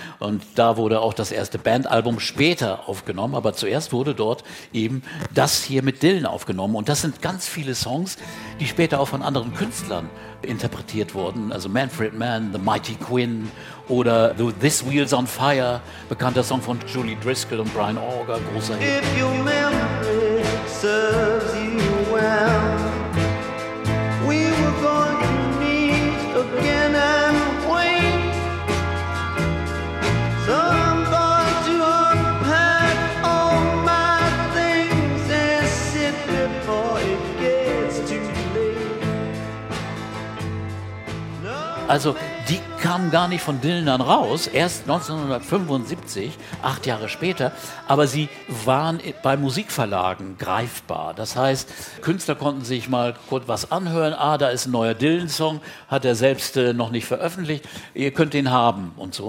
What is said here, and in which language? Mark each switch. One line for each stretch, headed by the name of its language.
German: Und da wurde auch das erste Bandalbum später aufgenommen, aber zuerst wurde dort eben das hier mit Dylan aufgenommen und das sind ganz viele Songs, die später auch von anderen Künstlern interpretiert wurden, also Manfred Mann, The Mighty Quinn oder This Wheel's on Fire, bekannter Song von Julie Driscoll und Brian Auger, großer Hit.
English: If your memory serves you well, we were going to meet again and wait. So I'm going to unpack all my things and sit before it gets too late.
German: No, also, die kamen gar nicht von Dylan dann raus, erst 1975, 8 Jahre später, aber sie waren bei Musikverlagen greifbar. Das heißt, Künstler konnten sich mal kurz was anhören, ah, da ist ein neuer Dylan-Song, hat er selbst noch nicht veröffentlicht, ihr könnt den haben und so.